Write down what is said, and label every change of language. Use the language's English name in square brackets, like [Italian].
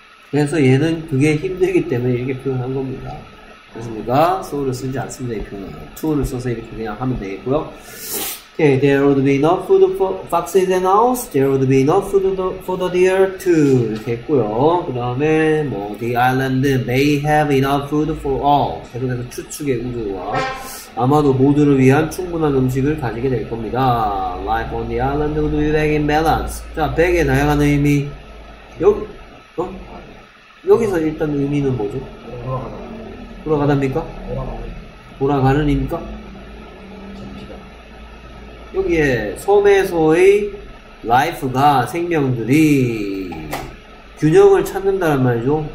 [Korean] 그래서 얘는 그게 힘들기 때문에 이렇게 표현한 겁니다. 그렇습니까? So를 쓰지 않습니다. 이 표현은 to를 써서 이렇게 그냥 하면 되겠고요. [English] Okay, there would be enough food for foxes and owls. There would be enough food for the deer too. [Korean] 이렇게 했고요. 그 다음에 뭐 [English] the island may have enough food for all. [Korean] 계속해서 추측의 우주와 아마도 모두를 위한 충분한 음식을 가지게 될 겁니다. [English] Life on the island would be back in balance. [Korean] 자, 백의 다양한 의미. 여기, 어? 여기서 일단 의미는 뭐죠? 돌아가답니까? 돌아가는입니까? 여기에 섬에서의 라이프가 생명들이 균형을 찾는다는 말이죠.